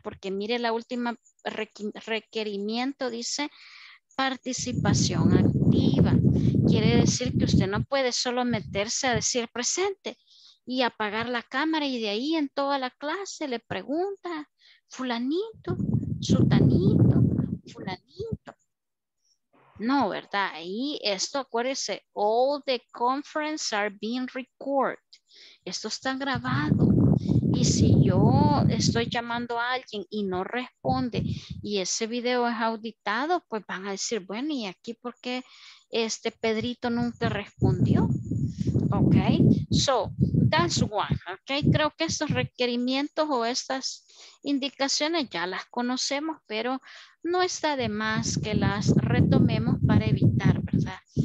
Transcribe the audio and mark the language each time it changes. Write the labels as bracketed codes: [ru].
[es] Porque mire la última requerimiento, dice participación activa. Quiere decir que usted no puede solo meterse a decir presente y apagar la cámara y de ahí en toda la clase le pregunta fulanito, sultanito, fulanito. No, ¿verdad? Y esto, acuérdese, [en] all the conference are being recorded. [es] Esto está grabado. Y si yo estoy llamando a alguien y no responde y ese video es auditado, pues van a decir, bueno, ¿y aquí por qué este Pedrito nunca respondió? [en] Ok, so that's one. [es] Ok, creo que estos requerimientos o estas indicaciones ya las conocemos, pero no está de más que las retomemos para evitar, ¿verdad?